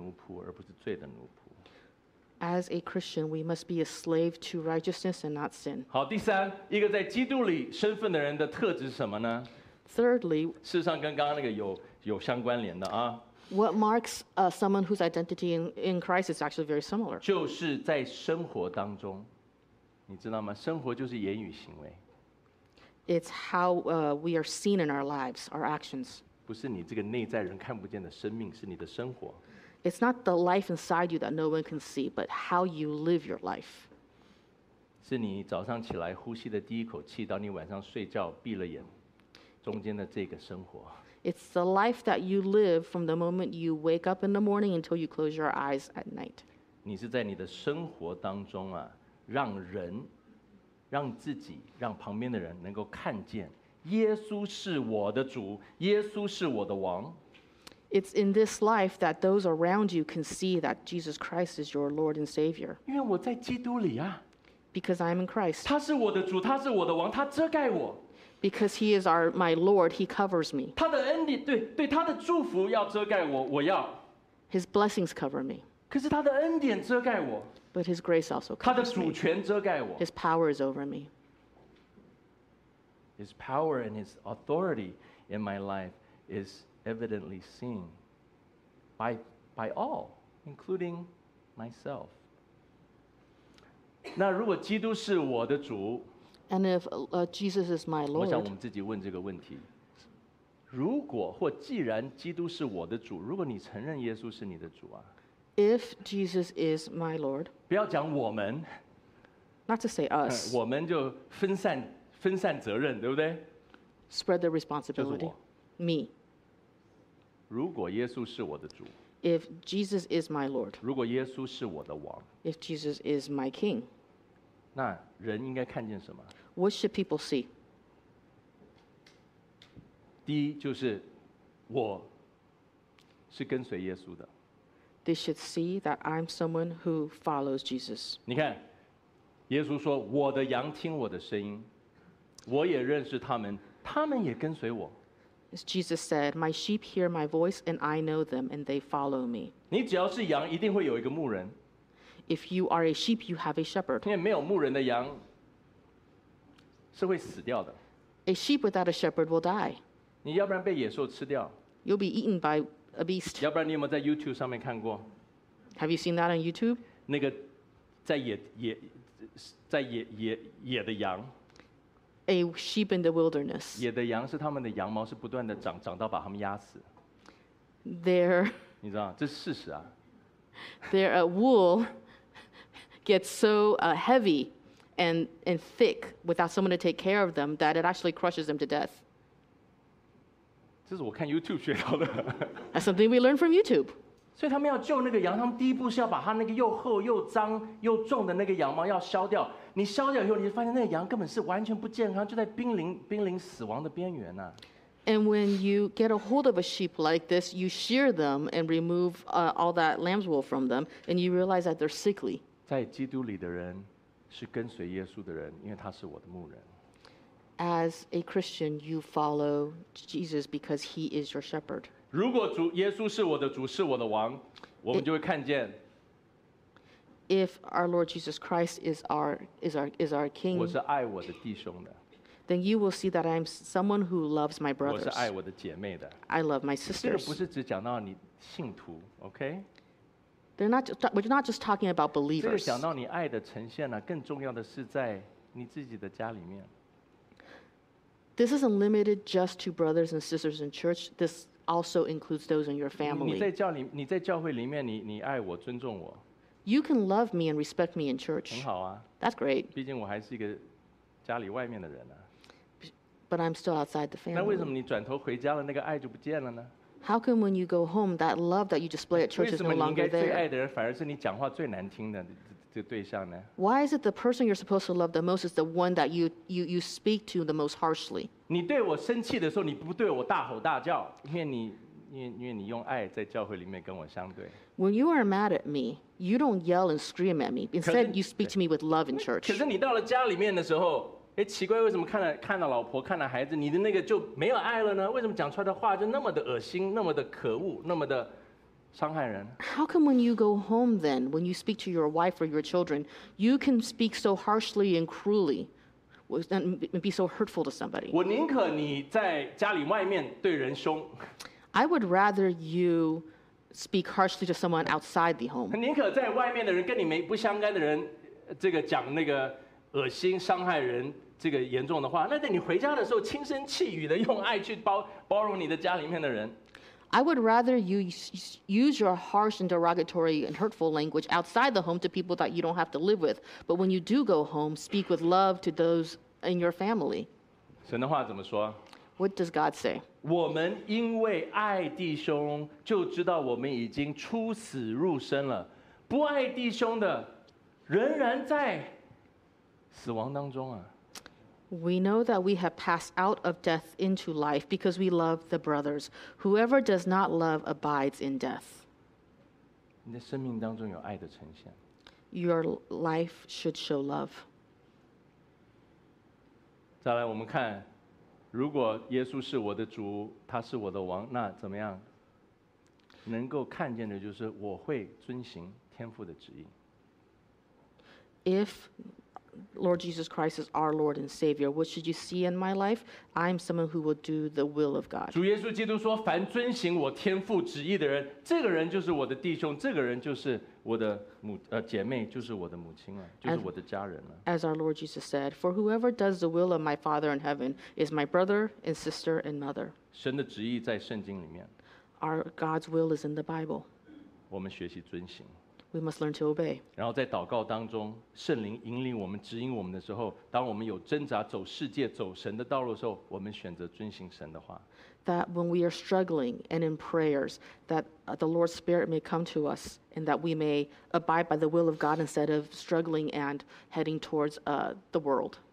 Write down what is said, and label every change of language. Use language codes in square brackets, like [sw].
[zh] 一个在基督里的人，我们要做义的奴仆，而不是罪的奴仆。 [en] As a Christian, we must be a slave to righteousness and not sin. [zh] 好，第三，一个在基督里身份的人的特质是什么呢？ [en] Thirdly, [zh] 事实上跟刚刚那个有相关联的啊。 [en] What marks someone whose identity in Christ is actually very similar. [zh] 就是在生活当中你知道吗？生活就是言语行为。 [en] It's how we are seen in our lives, our actions. [zh] 不是你这个内在人看不见的生命，是你的生活。 [en] It's not the life inside you that no one can see, but how you live your life. [zh] 是你早上起来呼吸的第一口气，到你晚上睡觉闭了眼，中间的这个生活。 [en] It's the life that you live from the moment you wake up in the morning until you close your eyes at night. [zh] 你是在你的生活当中啊，让人、让自己、让旁边的人能够看见，耶稣是我的主，耶稣是我的王。 [en] It's in this life that those around you can see that Jesus Christ is your Lord and Savior. [zh] 因为我在基督里啊。 [en] Because I am in Christ. [zh] 他是我的主，他是我的王，他遮盖我。 [en] Because he is our my Lord, he covers me. [zh] 他的恩典对对他的祝福要遮盖我，我要。 [en] His blessings cover me. [zh] 可是他的恩典遮盖我。 [en] But his grace also covers me. [zh] 他的主权遮盖我。 [en] His power is over me. His power and his authority in my life is evidently seen by all, including myself. [zh] 那如果基督是我的主。 [en] And if Jesus is my Lord, [zh] 我想我们自己问这个问题：如果或既然基督是我的主，如果你承认耶稣是你的主啊 [en] ，If Jesus is my Lord, [zh] 不要讲我们 [en] ，Not to say us， [zh] 我们就分散责任，对不对 [en] ？Spread the responsibility, [zh] 就是我 [en] me。 [zh] 如果耶稣是我的主 [en] ，If Jesus is my Lord, [zh] 如果耶稣是我的王 [en] ，If Jesus is my King。 [zh] 那人应该看见什么 [en] ？What should people see？ [zh] 第一就是我是跟随耶稣的。 [en] They should see that I'm someone who follows Jesus。 [zh] 你看，耶稣说：“我的羊听我的声音，我也认识他们，他们也跟随我。” [en] As Jesus said, "My sheep hear my voice, and I know them, and they follow me." [zh] 你只要是羊，一定会有一个牧人。 [en] If you are a sheep, you have a shepherd. [zh] 因为没有牧人的羊是会死掉的。 [en] A sheep without a shepherd will die. [zh] 你要不然被野兽吃掉。 [en] You'll be eaten by a beast. [zh] 要不然你有没有在 YouTube 上面看过 [en] ？Have you seen that on YouTube? [zh] 那个在野的羊。 [en] A sheep in the wilderness. [zh] 野的羊是他们的羊毛是不断的长，长到把他们压死。 [en] There. [zh] 你知道这是事实啊。 [en] Their wool gets so heavy and thick without someone to take care of them that it actually crushes them to death. [zh] 这是我看 YouTube 学到的。 [en] That's something we learn from YouTube. [zh] 所以他们要救那个羊，他们第一步是要把他那个又厚又脏又重的那个羊毛要削掉。你削掉以后，你就发现那个羊根本是完全不健康，就在濒临死亡的边缘呢。 [en] And when you get a hold of a sheep like this, you shear them and remove all that lamb's wool from them, and you realize that they're sickly. [zh] 在基督里的人是跟随耶稣的人，因为他是我的牧人。 [en] As a Christian, you follow Jesus because he is your shepherd. [zh] 如果主耶稣是我的主，是我的王，我们就会看见。 [en] If our Lord Jesus Christ is our King, [zh] 我是爱我的弟兄的。 [en] Then you will see that I'm someone who loves my brothers. [zh] 我是爱我的姐妹的。 [en] I love my sisters. [zh] 这个不是只讲到你信徒 ，OK？ [en] We're not just talking about believers. [zh] 这个讲到你爱的呈现呢，更重要的是在你自己的家里面。 [en] This isn't limited just to brothers and sisters in church. This also includes those in your family. [zh] 你在教会里面，你爱我，尊重我。 [en] You can love me and respect me in church. [zh] 很好啊。 [en] That's great. [zh] 毕竟我还是一个家里外面的人呢。 [en] But I'm still outside the family. [zh] 那为什么你转头回家了，那个爱就不见了呢 [en] ？How come when you go home, that love that you display at church is no longer there? [zh] 为什么你应该最爱的人，反而是你讲话最难听的这对象呢 [en] ？Why is it the person you're supposed to love the most is the one that you speak to the most harshly? [zh] 你对我生气的时候，你不对我大吼大叫，因为你用爱在教会里面跟我相对。 [en] When you are mad at me, you don't yell and scream at me. Instead, you speak to me with love in church. [zh] 可是你到了家里面的时候。哎，奇怪，为什么看到老婆，看到孩子，你的那个就没有爱了呢？为什么讲出来的话就那么的恶心，那么的可恶，那么的伤害人 [en] ？How come when you go home then, when you speak to your wife or your children, you can speak so harshly and cruelly, and be so hurtful to somebody? [zh] 我宁可你在家里外面对人凶。 [en] I would rather you speak harshly to someone outside the home. [zh] 宁可在外面的人跟你没不相干的人，这个讲那个。恶心伤害人这个严重的话，那你回家的时候轻声细语的用爱去包容你的家里面的人。 [en] I would rather you use your harsh and derogatory and hurtful language outside the home to people that you don't have to live with. But when you do go home, speak with love to those in your family. [zh] 神的话怎么说？ [en] What does God say? [zh] 我们因为爱弟兄，就知道我们已经出死入生了。不爱弟兄的，仍然在死亡当中啊。 [en] We know that we have passed out of death into life because we love the brothers. Whoever does not love abides in death. [zh] 你的生命当中有爱的呈现。 [en] Your life should show love. [zh] 再来我们看，如果耶稣是我的主，他是我的王，那怎么样？能够看见的就是我会遵行天父的旨意。 [en] If Lord Jesus Christ is our Lord and Savior, what should you see in my life? I'm someone who will do the will of God. [zh] 主耶稣基督说，凡遵行我天父旨意的人，这个人就是我的弟兄，这个人就是我的姐妹，就是我的母亲了，就是我的家人了。 [en] As our Lord Jesus said, for whoever does the will of my Father in heaven is my brother and sister and mother. [zh] 神的旨意在圣经里面。 [en] Our God's will is in the Bible. [zh] 我们学习遵行。 [en] We must learn to obey. [zh] 然后在祷告当中，圣灵引领我们、指引我们的时候，当我们有挣扎、走世界、走神的道路的时候，我们选择遵行神的话。 [en] That when we are struggling and in prayers, that the Lord's Spirit may come to us and that we may abide by the will of God instead of struggling and heading towards the world.